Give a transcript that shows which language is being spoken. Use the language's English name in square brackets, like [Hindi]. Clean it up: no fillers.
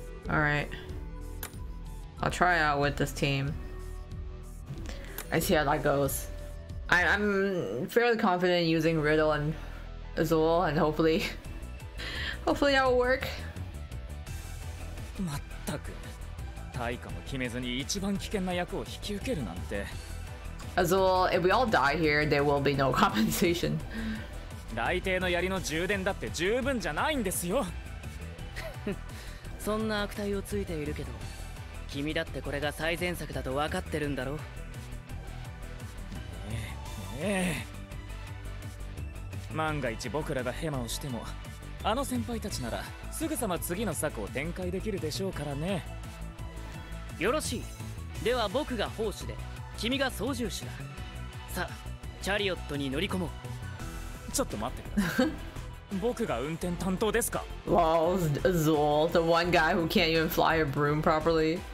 [English] All right. I'll try out with this team. I see how that goes. I'm fairly confident using Riddle and Azul, and hopefully that will work. [Japanese] まったく、対価も決めずに一番危険な役を引き受けるなんて。 [English] Azul, if we all die here, there will be no compensation. [Japanese] 雷帝の槍の充電だって十分じゃないんですよ。そんな悪態をついているけど、君だってこれが最善策だと分かってるんだろう。万が一僕らがヘマをしても、あの先輩たちならすぐさま次の策を展開できるでしょうからね。よろしい、では僕が奉仕で君が操縦士だ。さあチャリオットに乗り込もう。ちょっと待って [English] Wow, Zol, the one guy who can't even fly a broom properly.